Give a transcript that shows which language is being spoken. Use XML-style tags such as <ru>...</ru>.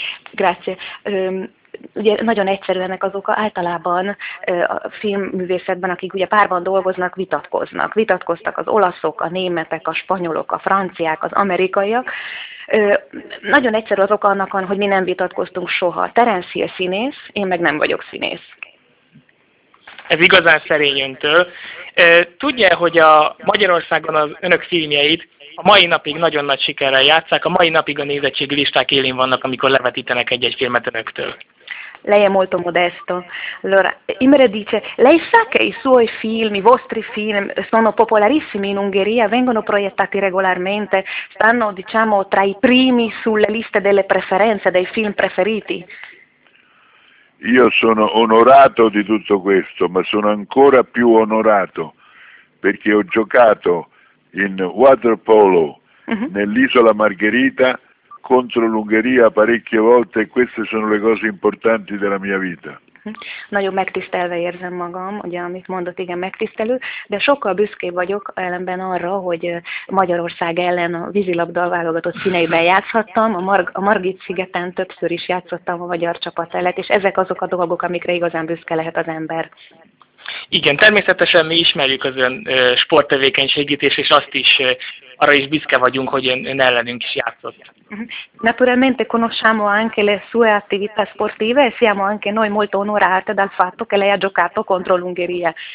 <it>Grazie.</it> <hu>Ugye nagyon egyszerű ennek az oka, általában a filmművészetben, akik ugye párban dolgoznak, vitatkoznak. Vitatkoztak az olaszok, a németek, a spanyolok, a franciák, az amerikaiak. Nagyon egyszerű az oka annak, hogy mi nem vitatkoztunk soha. Terence Hill színész, én meg nem vagyok színész. Ez igazán szerény öntől. Tudja, hogy a Magyarországon az önök filmjeit a mai napig nagyon nagy sikerrel játsszák, a mai napig a nézettségi listák élén vannak, amikor levetítenek egy-egy filmet önöktől.</hu> <it>Lei è molto modesto. Allora, Imre dice, lei sa che i suoi film, i vostri film, sono popolarissimi in Ungheria, vengono proiettati regolarmente, stanno, diciamo, tra i primi sulle liste delle preferenze, dei film preferiti? Io sono onorato di tutto questo, ma sono ancora più onorato, perché ho giocato in waterpolo nell'Isola Margherita, contro l'Ungheria parecchie volte e queste sono le cose importanti della mia vita.</it> <hu>Nagyon megtisztelve érzem magam, ugye amit mondott, igen, megtisztelő, de sokkal büszkébb vagyok ellenben arra, hogy Magyarország ellen a vízilabda válogatott színeiben játszhattam, a Margit szigeten többször is játszottam a magyar csapat ellen, és ezek azok a dolgok, amikre igazán büszke lehet az ember. Igen, természetesen mi ismerjük az ön sporttevékenységét, és azt is, arra is büszke vagyunk, hogy ön ellenünk is játszott.</hu> <it>Naturalmente conosciamo anche le sue attività sportive e siamo anche noi molto onorate dal fatto che lei ha giocato contro l'Ungheria.</it>